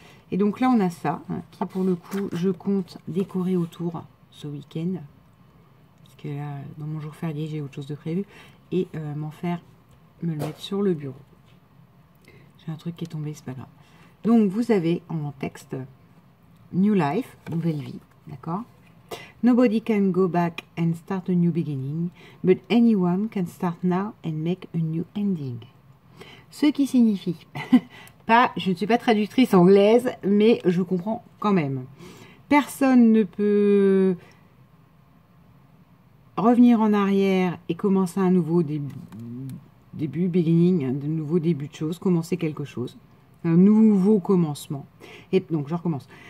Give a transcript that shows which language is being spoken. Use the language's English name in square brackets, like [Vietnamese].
[French] Et donc là, on a ça, hein, qui pour le coup, je compte décorer autour ce week-end. Parce que là, dans mon jour férié, j'ai autre chose de prévu. Et m'en faire, me le mettre sur le bureau. J'ai un truc qui est tombé, c'est pas grave. Donc vous avez en texte New Life, nouvelle vie, d'accord? [English] Nobody can go back and start a new beginning, but anyone can start now and make a new ending. [French] Ce qui signifie, pas, je ne suis pas traductrice anglaise, mais je comprends quand même. Personne ne peut revenir en arrière et commencer un nouveau début, beginning, de nouveau début de choses, commencer quelque chose, un nouveau commencement. Et donc, je recommence.